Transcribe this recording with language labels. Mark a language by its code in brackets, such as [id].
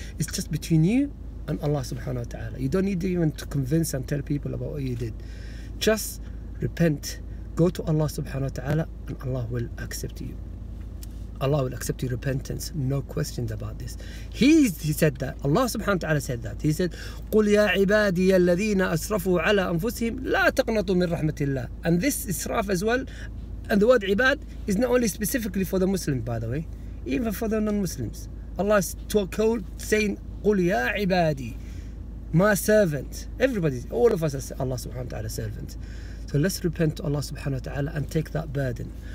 [en] It's just between you and Allah subhanahu wa ta'ala. You don't need to even to convince and tell people about what you did. Just repent. Go to Allah subhanahu wa ta'ala and Allah will accept you. Allah will accept your repentance. No questions about this. He said that. Allah subhanahu wa ta'ala said that. He said, [ar] قُلْ يَا عِبَادِيَ الَّذِينَ أَسْرَفُوا عَلَىٰ أَنفُسِهِمْ لَا تَقْنَطُوا مِنْ رَحْمَةِ اللَّهِ. [en] And this israf as well, and the word ibad is not only specifically for the Muslims, by the way, even for the non-Muslims. Allah is told, saying, [ar] قُلْ يَا عِبَادِي, [en] my servant. Everybody, all of us are Allah subhanahu wa ta'ala servant. So let's repent to Allah subhanahu wa ta'ala and take that burden.